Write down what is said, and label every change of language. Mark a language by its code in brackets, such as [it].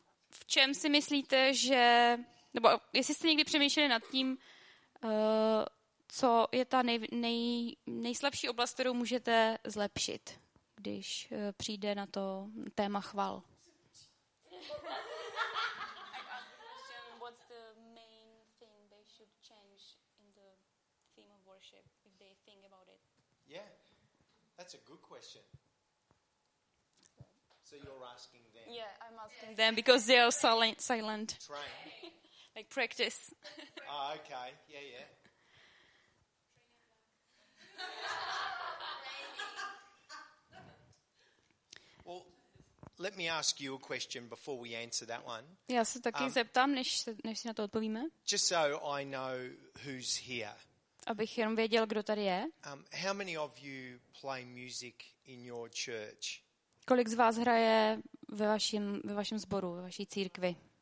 [cs] v čem si myslíte, že, nebo jestli jste někdy přemýšleli nad tím, co je ta nejslabší oblast, kterou můžete zlepšit, když přijde na to téma chval? [en] What's the main thing they should change in the theme of worship if they think about it? Yeah, that's a good question. So you're asking them? Yeah, I'm asking them because they are silent. Train. Like practice. Oh, okay. Yeah. Let me ask you a question before we answer that one. [cs] Já se taky zeptám, než si na to odpovíme. [en] Just so I know who's here. [cs] Abych jenom věděl, kdo tady je. [en] How many of you play music in your church? [cs] Kolik z vás hraje ve vašem sboru, ve vaší církvi?